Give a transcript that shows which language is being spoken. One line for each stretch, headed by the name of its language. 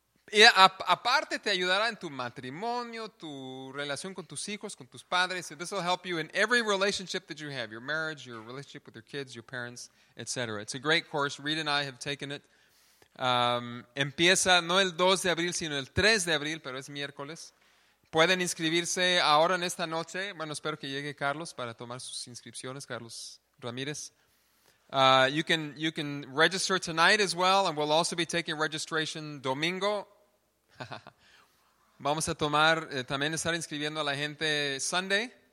Spanish: Y aparte te ayudará en tu matrimonio, tu relación con tus hijos, con tus padres.
English: So this will help you in every relationship that you have, your marriage, your relationship with your kids, your parents, etc. It's a great course. Reed and I have taken it.
Spanish: Empieza no el 2 de abril, sino el 3 de abril, pero es miércoles. Pueden inscribirse ahora en esta noche. Bueno, espero que llegue Carlos para tomar sus inscripciones, Carlos Ramírez.
English: You can register tonight as well, and we'll also be taking registration domingo.
Spanish: Vamos a tomar, también estar inscribiendo a la gente Sunday.